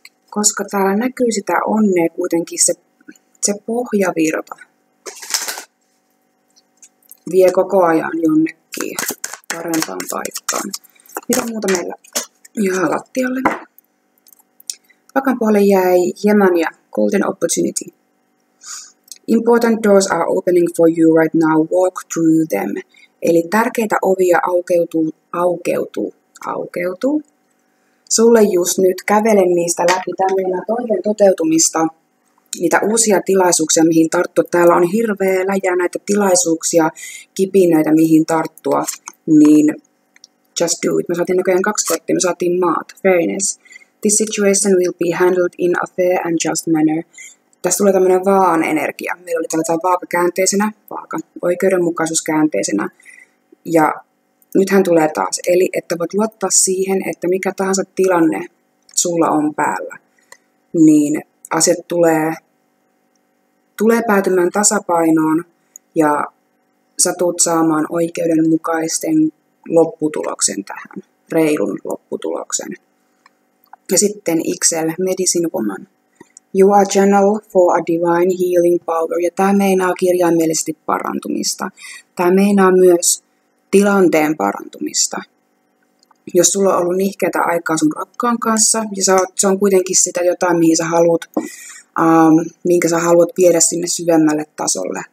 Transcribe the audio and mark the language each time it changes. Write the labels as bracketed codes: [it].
[fi] Koska täällä näkyy sitä onnea kuitenkin se pohjavirta. Vie koko ajan jonnekin parempaan paikkaan. Mitä muuta meillä jää lattialle? Pakan puolelle jäi Yemen ja Golden Opportunity. [en] Important doors are opening for you right now. Walk through them. [fi] Eli tärkeitä ovia aukeutuu sulle just nyt. Kävele niistä läpi. Tämmöinen toiveen toteutumista. Niitä uusia tilaisuuksia, mihin tarttua. Täällä on hirveä läjä näitä tilaisuuksia, kipinöitä, mihin tarttua. Niin, [en] just do it. [fi] Me saatiin näköjään kaksi korttia, me saatiin maat. [en] Fairness. This situation will be handled in a fair and just manner. [fi] Tässä tulee tämmöinen vaan energia. Meillä oli tällä vaakakäänteisenä, vaaka, oikeudenmukaisuuskäänteisenä. Ja nythän tulee taas. Eli, että voit luottaa siihen, että mikä tahansa tilanne sulla on päällä, niin asiat tulee päätymään tasapainoon ja sä tuut saamaan oikeudenmukaisten lopputuloksen tähän, reilun lopputuloksen. Ja sitten Excel, Medicine Woman. [en] You are channel for a divine healing power. [fi] Ja tämä meinaa kirjaimellisesti parantumista. Tämä meinaa myös tilanteen parantumista. Jos sulla on ollut nihkeätä aikaa sun rakkaan kanssa, ja se on kuitenkin sitä jotain, mihin sä haluat, minkä sä haluat viedä sinne syvemmälle tasolle.